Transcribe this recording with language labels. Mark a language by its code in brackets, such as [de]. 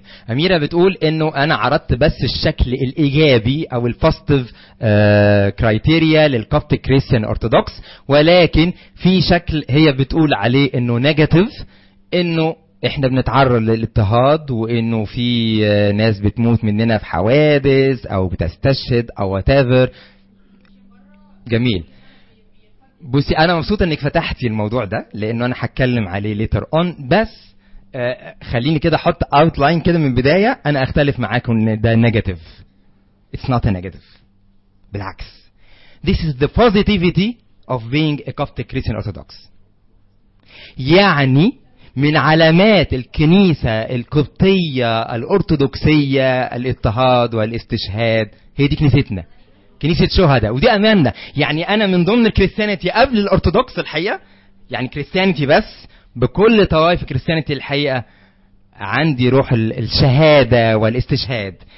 [ar] أميرة بتقول أنه أنا عرضت بس الشكل الإيجابي أو الفاستيف كريتيريا للكفت كريستيان أرثوذكس، ولكن في شكل هي بتقول عليه أنه نيجاتيف، أنه إحنا بنتعرض للإضطهاد، وأنه في ناس بتموت مننا في حوادث أو بتستشهد أو whatever. جميل، بصي أنا مبسوط أنك فتحتي الموضوع ده لأنه أنا هتكلم عليه later on، بس خليني كده حط outline كده من بداية. أنا أختلف معاكم أن ده negative. [en] It's not a negative. بالعكس. This is the positivity of being a Coptic Christian Orthodox. [ar] يعني من علامات الكنيسة القبطية الأرثوذكسية الاضطهاد والاستشهاد، هي دي كنيستنا، كنيسة شهداء، ودي أماننا. يعني أنا من ضمن الكريستيانيتي قبل الأرثوذكس الحقيقة، يعني كريستيانيتي بس بكل طوائف كريستيانيتي الحقيقة، عندي روح الشهادة والاستشهاد.